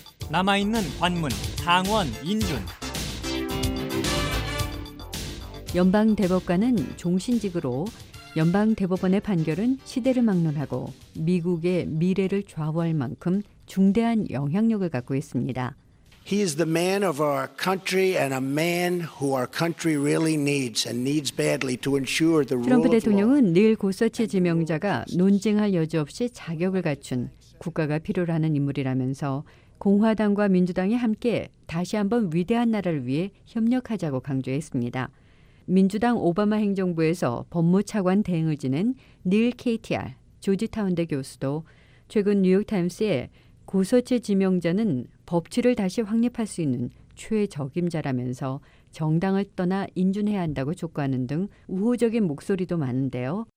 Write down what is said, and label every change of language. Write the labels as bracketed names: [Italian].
[Korean] 남아있는 관문 상원 인준 연방대법관은 종신직으로 연방대법원의 판결은 시대를 막론하고 미국의 미래를 좌우할 만큼 중대한 영향력을 갖고 있습니다. [English] He is the man of our country and a man who our country really needs and needs badly to ensure the rule of law. [Korean] 트럼프 대통령은 닐 고서치 지명자가 논쟁할 여지 없이 자격을 갖춘 국가가 필요로 하는 인물이라면서 공화당과 민주당이 함께 다시 한번 위대한 나라를 위해 협력하자고 강조했습니다. 민주당 오바마 행정부에서 법무차관 대행을 지낸 닐 KTR 조지타운대 교수도 최근 뉴욕타임스에 고서치 지명자는 법치를 다시 확립할 수 있는 최적임자라면서 정당을 떠나 인준해야 한다고 촉구하는 등 우호적인 목소리도 많은데요.